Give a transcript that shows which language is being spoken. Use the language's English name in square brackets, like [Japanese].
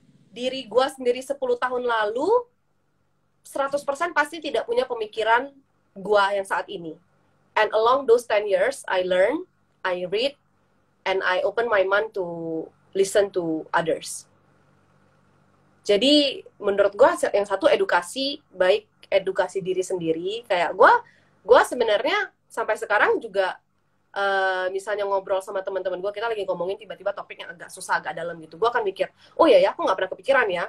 [Indonesian] Diri gue sendiri 10 tahun lalu 100% pasti tidak punya pemikiran gue yang saat ini. [English] And along those 10 years I learn, I read, and I open my mind to listen to others. [Indonesian] Jadi menurut gue yang satu edukasi, baik edukasi diri sendiri. Kayak gue sebenarnya sampai sekarang juga misalnya ngobrol sama teman-teman gue, kita lagi ngomongin tiba-tiba topik yang agak susah, agak dalam gitu, gue akan mikir, oh ya, aku nggak pernah kepikiran ya.